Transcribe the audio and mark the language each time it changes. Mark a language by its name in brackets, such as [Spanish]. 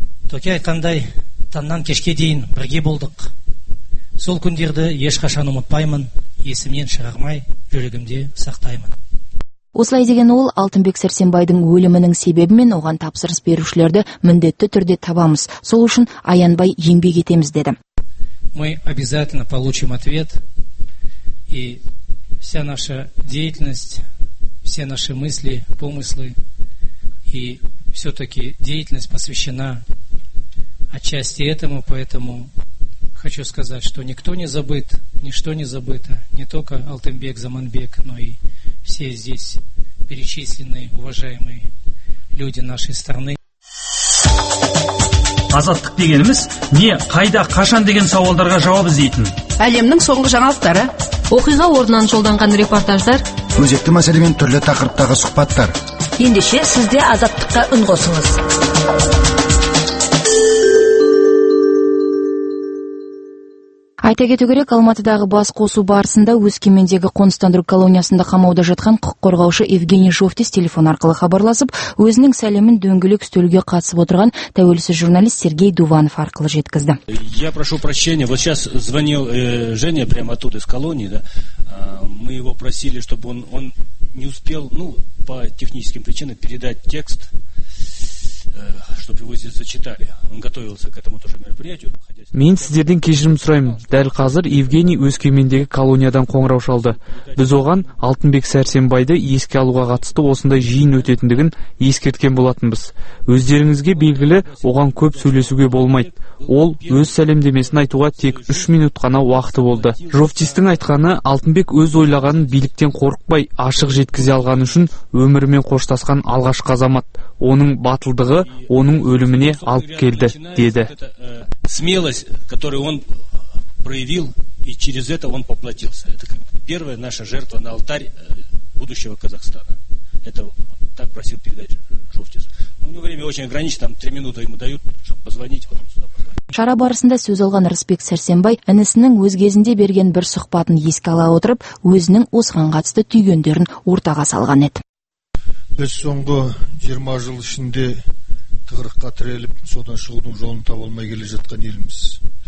[Kazakh] Төке айтқандай, таңнан кешке дейін бірге болдық. Сол күндерді ешқашан ұмытпаймын, есімнен шығармай, жүрегімде сақтаймын. Осылай деген ол, Алтынбек Сәрсенбайдың өлімінің себебімен оған тапсырыс берушілерді міндетті түрде табамыз. Сол үшін аянбай еңбек етеміз деді. [Russian] Мы обязательно получим ответ, и вся наша деятельность, все наши мысли, помыслы и все-таки деятельность посвящена отчасти этому, поэтому хочу сказать, что никто не забыт, ничто не забыто, не только Алтынбек Заманбек, но и все здесь перечисленные уважаемые люди нашей страны. [Kazakh] Азаттық дегеніміз не, қайда, қашан деген сауалдарға жауап іздейтін. Әлемнің соңғы жаңалықтары, оқиға орнынан жолданған репортаждар, өзекті мәселемен түрлі тақырыптағы сұхбаттар. Ендеше сізде азаттыққа үн қосыңыз. А Айта кету керек, Алматыдағы бас қосу барысында Өскемендегі қоныстандыру колониясында қамауда жатқан құқық қорғаушы Евгений Жовтис телефон арқылы хабарласып, өзінің сәлемін дөңгелек үстелге қатысып отырған тәуелсіз журналист Сергей Дуванов арқылы жеткізді. [Russian] Я прошу прощения, вот сейчас звонил Женя прямо оттуда из колонии, да? Мы его просили, чтобы он не успел, ну, по техническим причинам передать текст. [Kazakh] Мен сіздерден кешірім сұраймын. Дәл қазір Евгений Өскемендегі колониядан қоңырау шалды. Біз оған Алтынбек Сәрсенбайды еске алуға қатысты осындай жиын өтетіндігін ескерткен болатынбыз. Өздеріңізге белгілі, оған көп сөйлесуге болмайды. Ол өз сәлемдемесін айтуға тек 3 минут қана уақыты болды. Жовтистің айтқаны, Алтынбек өз ойлағанын биліктен қорықпай ашық жеткізе алғаны үшін өмірімен қоштасқан алғашқы азамат. Оның батылдығы оның өліміне алып келді, деді. [Russian] Смелость, которую он проявил, и через это он поплатился. Это первая наша жертва на алтарь будущего Казахстана. Это так просил передать Жовтис. У него время очень ограничено, там 3 минуты ему дают, чтобы позвонить, вот он сюда позвонит. [Kazakh] Шара барысында сөз алған Рысбек Сәрсенбай інісінің өз кезінде берген бір сұхбатын еске ала отырып, өзінің осыған қатысты түйгендерін ортаға салған еді. Біз соңғы 20 жыл ішінде тығырыққа тіреліп, содан шығудың жолын таба алмай келе жатқан еліміз.